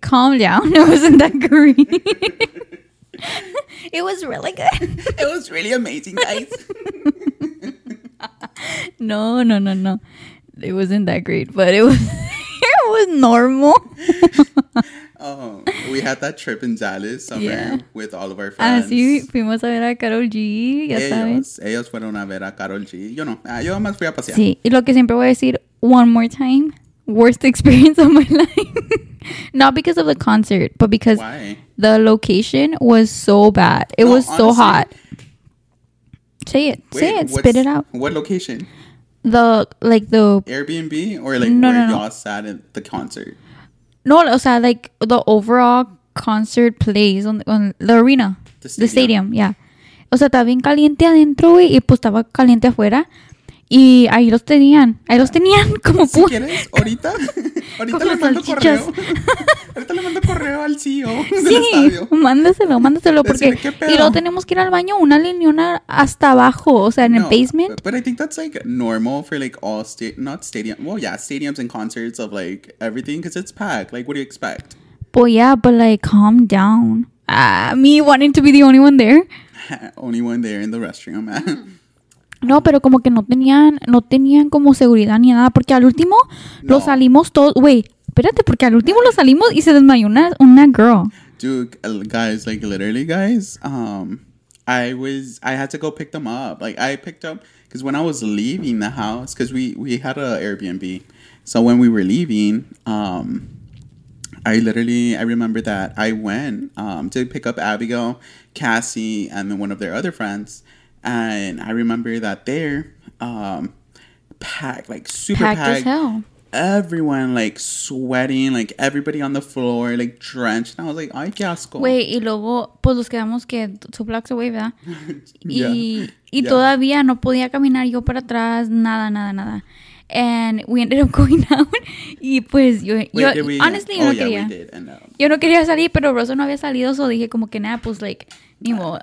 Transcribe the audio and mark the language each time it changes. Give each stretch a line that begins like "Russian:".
English: Calm down. It wasn't that green. It was really good. It was really amazing, guys. No. It wasn't that great, but it was normal. Oh, we had that trip in Dallas somewhere, yeah, with all of our friends.
Spanish: Así fuimos a ver a Karol G, ya sabes. Ellos fueron a ver a Karol G. Yo no. Yo más fui a pasear. Sí, y lo que siempre voy a decir
English: one more time. Worst experience of my life. Not because of the concert, but because... Why? The location was so bad. It was honestly, so hot. Say it. Spit it out. What location? The Airbnb or like y'all sat at the concert?
Spanish: No, o sea,
English: like the overall concert plays on the arena. The stadium, yeah.
Spanish: O sea, estaba bien caliente adentro y pues estaba caliente afuera. Y ahí los tenían. Como si quieres, ahorita. Ahorita le mando correo. Ahorita le mando correo al CEO del estadio. Sí, mándaselo. Porque y luego tenemos que ir al baño una línea hasta abajo, o sea, en el basement.
English: But I think that's like normal for like all stadiums. Well, yeah, stadiums and concerts of like everything because it's packed. Like, what do you expect? Well, yeah, but like, calm down. Me wanting to be the only one there. Only one there in the restroom, man.
Spanish: No, pero como que no tenían como seguridad ni nada, porque al último lo salimos todos. Wait, espérate, porque al último lo salimos y se desmayó una girl.
English: Dude, guys, like literally, guys, I had to go pick them up. Like I picked up, because when I was leaving the house, because we had an Airbnb. So when we were leaving, I remember that I went to pick up Abigail, Cassie, and then one of their other friends. And I remember that they're packed, like super packed as hell. Everyone like sweating, like everybody on the floor, like drenched. And I was like,
Spanish: ay, qué asco. Wait, y luego, pues nos quedamos que
English: 2 blocks away,
Spanish: ¿verdad? Y todavía no podía caminar yo para atrás, nada.
English: And we ended up going out.
Spanish: Y pues yo,
English: wait, yo honestly,
Spanish: yo no quería. Yeah, yo no quería salir, pero Rosa no había salido. So dije como que nada, pues like, ni modo.